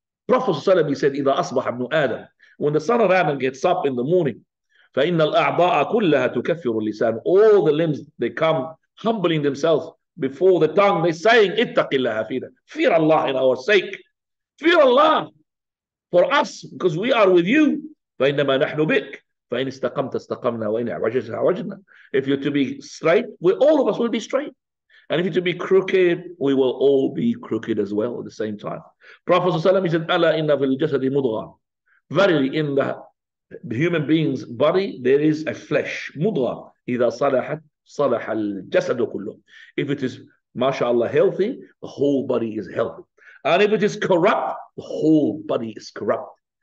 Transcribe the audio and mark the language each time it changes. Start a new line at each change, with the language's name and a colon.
English: Prophet ﷺ, he said,
Arabic: إِذَا أَصْبَحَ ابْنُ آدَمَ,
English: when the son of Adam gets up in the morning,
Arabic: فَإِنَّ الْأَعْضَاءَ كُلَّهَا تُكَفِّرُ اللِّسَانُ,
English: all the limbs, they come humbling themselves before the tongue, they're saying,
Arabic: اتَّقِ اللَّهَ فِينا,
English: fear Allah in our sake. Fear Allah for us, because we are with you.
Arabic: فَإِنَّمَا نَحْنُ بِكْ, فَإِنْ اسْتَقَمْتَ اسْتَقَمْنَا وَإِنْ عَوَجَتْنَا عَوَجَتْنَا.
English: If you're to be straight, we, all of us will be straight. And if you're to be crooked, we will all be crooked as well at the same time. Prophet ﷺ said,
Arabic: أَلَا إِنَّ فِي الْجَسَدِ مُضْغَى.
English: Verily, in the human being's body, there is a flesh.
Arabic: مُضْغَى. إِذَا صَلَحَتْ صَلَحَ الْجَسَدُ كُلُّهُ.
English: If it is, mashallah, healthy, the whole body is healthy. And if it is corrupt, the whole body is corrupt.